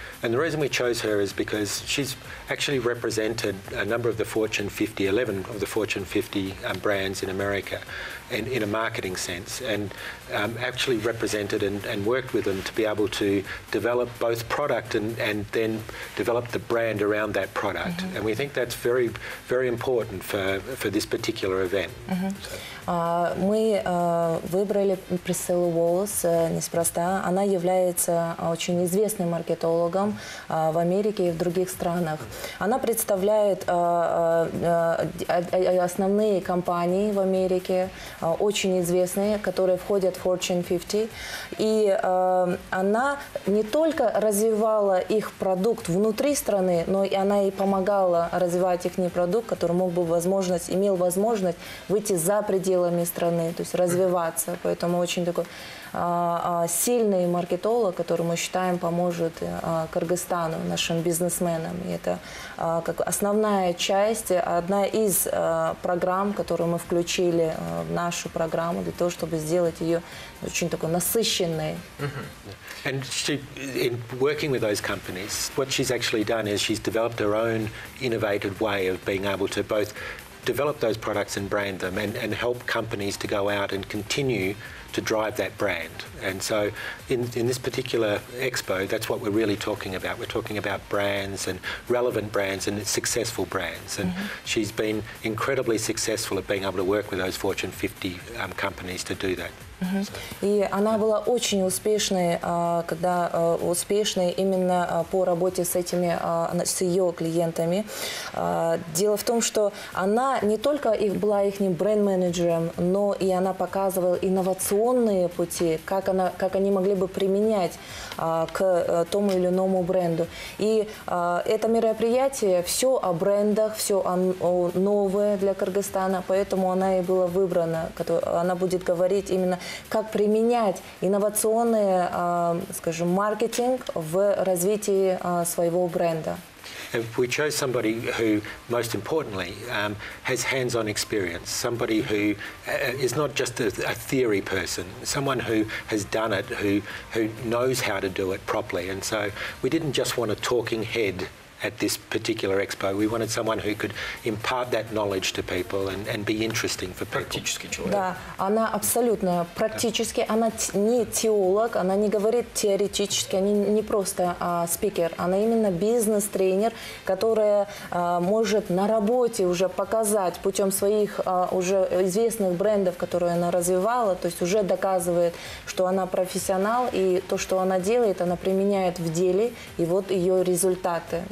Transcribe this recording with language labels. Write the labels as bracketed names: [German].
[English] And the reason we chose her is because she's actually represented a number of the Fortune 50, 11 of the Fortune 50 brands in America and in a marketing sense, and actually represented and worked with them to be able to develop both product and then develop the brand around that product. Mm-hmm. And we think that's very, very important for this particular event. Mm-hmm. So. [Russian] Мы выбрали Присциллу Уоллес неспроста. Она является очень известным маркетологом в Америке и в других странах. Она представляет основные компании в Америке, очень известные, которые входят в Fortune 50. И она не только развивала их продукт внутри страны, но и она и помогала развивать их продукт, который мог бы возможность, имел возможность выйти за пределы страны, то есть развиваться. Поэтому очень такой сильный маркетолог, который мы считаем поможет Кыргызстану, нашим бизнесменам. И это как основная часть, одна из программ, которую мы включили в нашу программу для того, чтобы сделать ее очень такой насыщенной. [English] And she, in working with those companies, what she's actually done is she's developed her own innovative way of being able to both develop those products and brand them and help companies to go out and continue to drive that brand. And so in this particular expo, that's what we're really talking about. We're talking about brands and relevant brands and successful brands. And mm-hmm. she's been incredibly successful at being able to work with those Fortune 50 companies to do that. [Russian] И она была очень успешной, когда успешной именно по работе с этими, с ее клиентами. Дело в том, что она не только была их бренд-менеджером, но и она показывала инновационные пути, как они могли бы применять к тому или иному бренду. И это мероприятие все о брендах, все о новое для Кыргызстана, поэтому она и была выбрана, она будет говорить именно как применять инновационный, скажем, маркетинг в развитии своего бренда. [English] We chose somebody who, most importantly, has hands-on experience. Somebody who is not just a theory person. Someone who has done it, who knows how to do it properly. And so we didn't just want a talking head at this particular expo. We wanted someone who could impart that knowledge to people and be interesting for people. [Russian] Практический человек. Да, она абсолютно практически, она не теолог, она не говорит теоретически, она не просто спикер, она именно бизнес-тренер, которая может на работе уже показать путем своих уже известных брендов, которые она развивала, то есть уже доказывает, что она профессионал, и то, что она делает, она применяет в деле, и вот ее результаты.